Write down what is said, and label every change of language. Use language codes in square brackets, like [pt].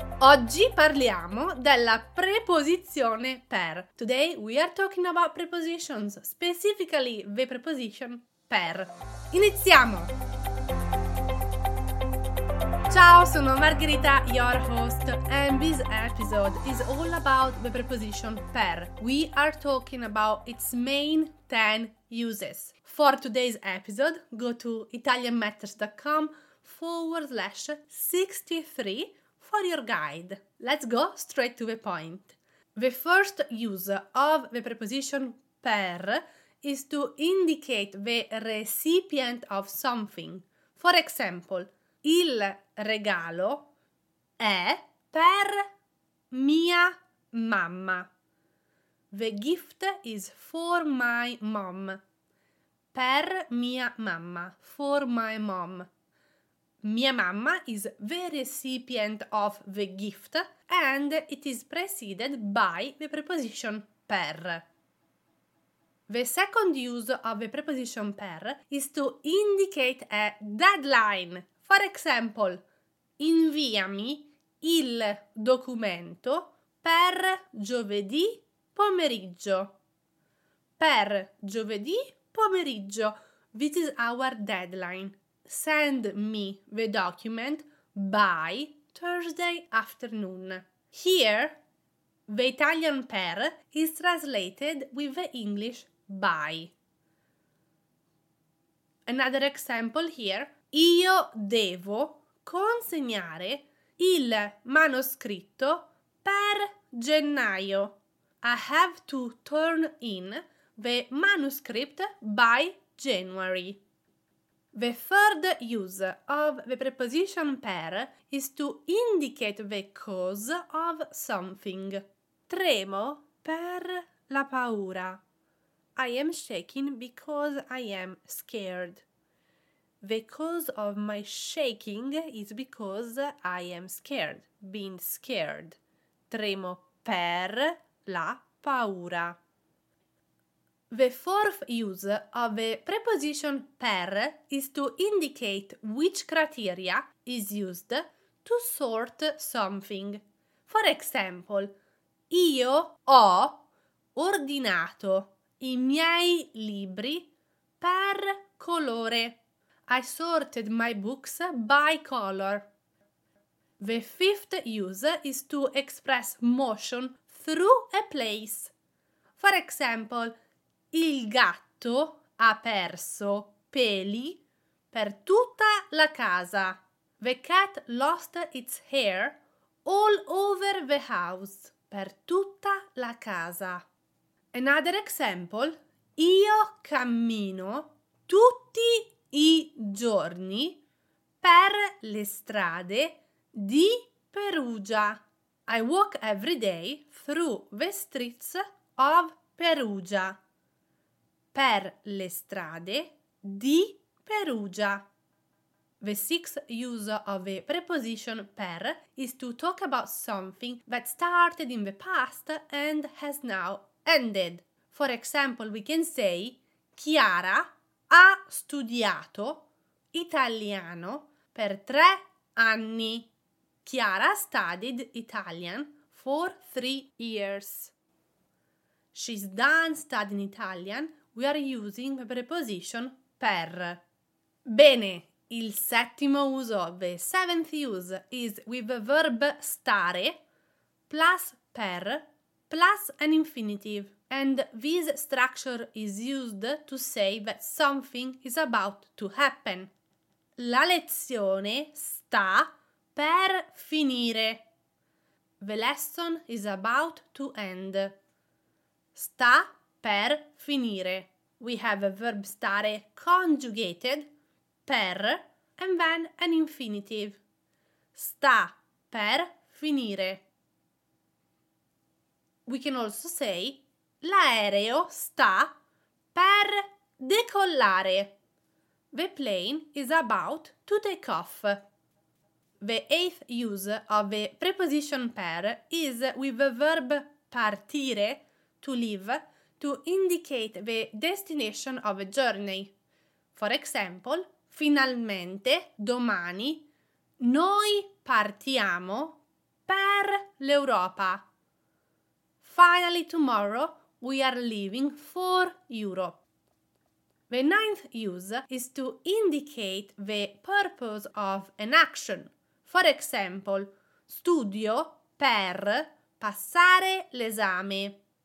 [it] Oggi parliamo della preposizione per. [en] Today we are talking about prepositions, specifically the preposition per. [it] Iniziamo! Ciao, sono Margherita, [en] your host, and this episode is all about the preposition per. We are talking about its main 10 uses. For today's episode, go to italianmatters.com/63 for your guide. Let's go straight to the point. The first use of the preposition per is to indicate the recipient of something. For example, [it] il regalo è per mia mamma. [en] The gift is for my mom. [it] Per mia mamma, [en] for my mom. Mia mamma is the recipient of the gift and it is preceded by the preposition per. The second use of the preposition per is to indicate a deadline. For example, [it] inviami il documento per giovedì pomeriggio. Per giovedì pomeriggio. [en] This is our deadline. Send me the document by Thursday afternoon. Here, the Italian per is translated with the English by. Another example here. [it] Io devo consegnare il manoscritto per gennaio. [en] I have to turn in the manuscript by January. The third use of the preposition per is to indicate the cause of something. [it] Tremo per la paura. [en] I am shaking because I am scared. The cause of my shaking is because I am scared, being scared. [it] Tremo per la paura. [en] The fourth use of the preposition per is to indicate which criteria is used to sort something. For example, [it] io ho ordinato i miei libri per colore. [en] I sorted my books by color. The fifth use is to express motion through a place. For example, [it] il gatto ha perso peli per tutta la casa. [en] The cat lost its hair all over the house. [it] Per tutta la casa. [en] Another example, [it] io cammino tutti i giorni per le strade di Perugia. [en] I walk every day through the streets of Perugia. [it] Per le strade di Perugia. [en] The sixth use of a preposition per is to talk about something that started in the past and has now ended. For example, we can say Chiara [it] ha studiato italiano per 3 anni. [en] Chiara studied Italian for 3 years. She's done studying Italian. We are using the preposition per. [it] Bene, il settimo uso, [en] the seventh use, is with the verb stare plus per plus an infinitive. And this structure is used to say that something is about to happen. [it] La lezione sta per finire. [en] The lesson is about to end. [it] Sta per finire. [en] We have a verb stare conjugated, per, and then an infinitive. [it] Sta per finire. [en] We can also say [it] l'aereo sta per decollare. [en] The plane is about to take off. The eighth use of the preposition per is with the verb partire, to leave, to indicate the destination of a journey. For example, [it] finalmente, domani, Noi partiamo per l'Europa. [en] Finally tomorrow, we are leaving for Europe. The ninth use is to indicate the purpose of an action. For example, [it] studio per passare l'esame.